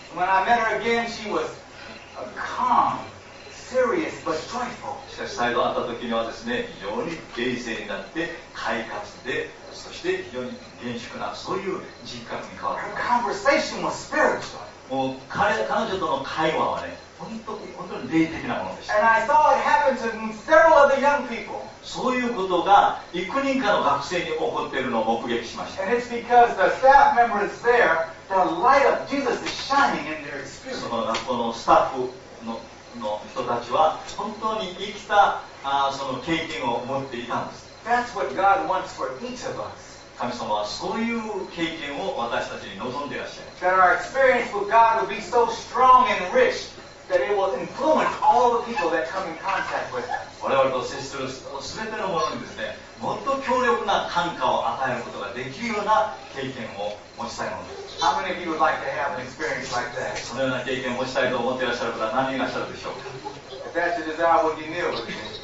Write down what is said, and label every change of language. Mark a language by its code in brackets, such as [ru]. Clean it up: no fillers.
[en] When I met her again, she was calm. Serious, but joyful. [ja] しかし再度会った時にはですね、非常に冷静になって快活で、そして非常に厳粛な、そういう人格に変わった。 [en] Her conversation was spiritual. [ja] もう 彼女との会話はね、本当に霊的なものでした。 [en] And I saw it happen to several other young people. [ja] そういうことが幾人かの学生に起こっているのを目撃しました。 [en] And it's because the staff members there, the light of Jesus is shining in their experience. [ja] その学校のスタッフのの人たちは本当に生きたその経験を持っていたんです。 [en] That's what God wants for each of us. [ja] 神様はそういう経験を私たちに望んでいらっしゃる。 [en] That our experience with God will be so strong and rich that it will influence all the people that come in contact with us. [ja] 我々と接する全てのものにですね、もっと強力な感化を与えることができるような経験を持ちたいものです。 [en] How many of you would like to have an experience like that? [ja] そのような経験を持ちたいと思っていらっしゃる方は何人いらっしゃるでしょうか。 [en] If that's a desire, would you kneel with me?